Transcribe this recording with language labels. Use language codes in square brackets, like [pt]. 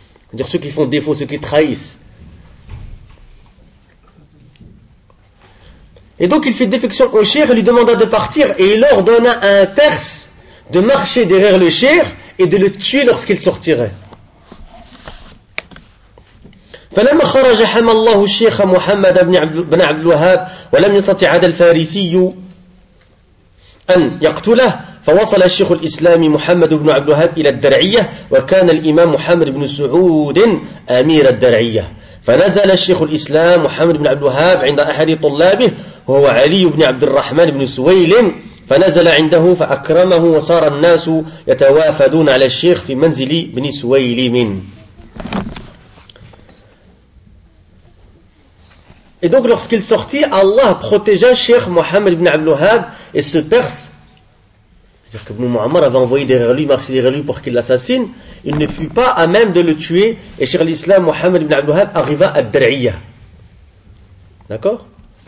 [fr] C'est-à-dire ceux qui font défaut, ceux qui trahissent. Et donc il fit défection au cheikh, lui demanda de partir et il ordonna à un Perse de marcher derrière le cheikh et de le tuer lorsqu'il sortirait. [ar] فلما خرج حمى الله الشيخ محمد بن عبد الوهاب ولم يستطع هذا الفارسي أن يقتله فوصل الشيخ الإسلام محمد بن عبد الوهاب إلى الدرعية وكان الإمام محمد بن سعود أمير الدرعية فنزل الشيخ الإسلام محمد بن عبد الوهاب عند أحد طلابه وهو علي بن عبد الرحمن بن سويلم فنزل عنده فأكرمه وصار الناس يتوافدون على الشيخ في منزل بن سويلم. [fr] Et donc lorsqu'il sortit, Allah protégea Cheikh Mohammed ibn Abdul Wahhab et ce Perse, c'est-à-dire que Muammar avait envoyé derrière lui, marcher derrière lui pour qu'il l'assassine, il ne fut pas à même de le tuer et Cheikh l'Islam Mohammed ibn Abdul Wahhab arriva à Dar'iyah. D'accord ?